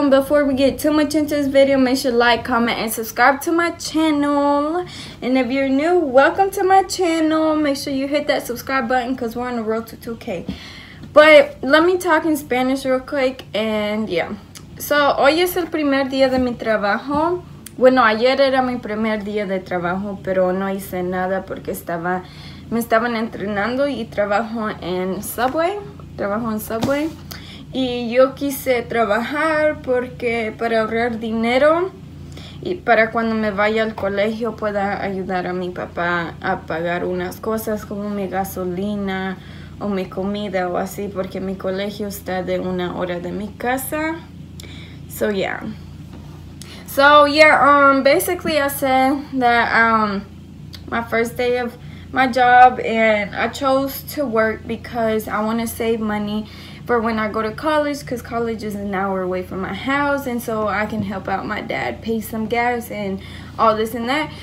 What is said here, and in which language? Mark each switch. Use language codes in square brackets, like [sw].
[en] And before we get too much into this video, make sure to like, comment, and subscribe to my channel. And if you're new, welcome to my channel. Make sure you hit that subscribe button because we're on the road to 2K. But let me talk in Spanish real quick. [es] And yeah, so hoy es el primer día de mi trabajo. Bueno, ayer era mi primer día de trabajo, pero no hice nada porque me estaban entrenando y trabajo en Subway. Trabajo en Subway y yo quise trabajar porque para ahorrar dinero y para cuando me vaya al colegio pueda ayudar a mi papá a pagar unas cosas como mi gasolina o mi comida o así, porque mi colegio está de una hora de mi casa. [en] So basically I said that my first day of my job, and I chose to work because I want to save money for when I go to college, because college is an hour away from my house, and so I can help out my dad pay some gas and all this and that.